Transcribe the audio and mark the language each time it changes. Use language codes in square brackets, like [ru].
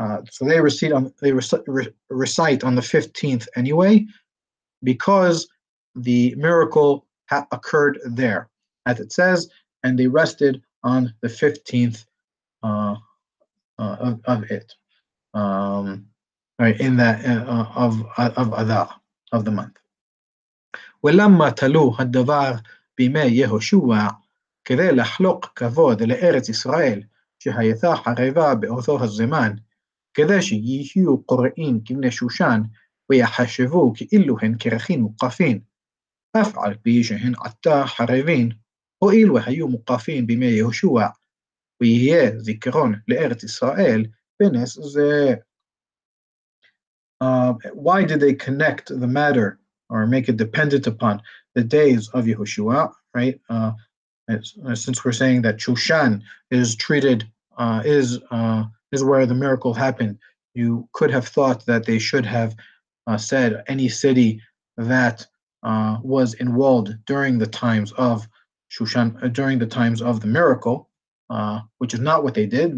[en] So they recite on the 15th anyway, because the miracle occurred there, as it says, and they rested on the 15th of the month. [he] ולמה תלו הדבר בימי יהושוע כדי לחלוק כבוד לארץ ישראל שהייתה חרבה באותו הזמן כדי שיהיו קוראים כבני שושן ויחשבו כאילו הן קרחים מוקפים אף על פי שהן עתה חרבין הואיל והיו מוקפים בימי יהושע ויהיה זיכרון לארץ ישראל בנס זה. [en] Why did they connect the matter, or make it dependent upon, the days of Yehoshua, right? Since we're saying that Shushan is treated, is where the miracle happened, you could have thought that they should have said any city that was enwalled during the times of Shushan, during the times of the miracle, which is not what they did.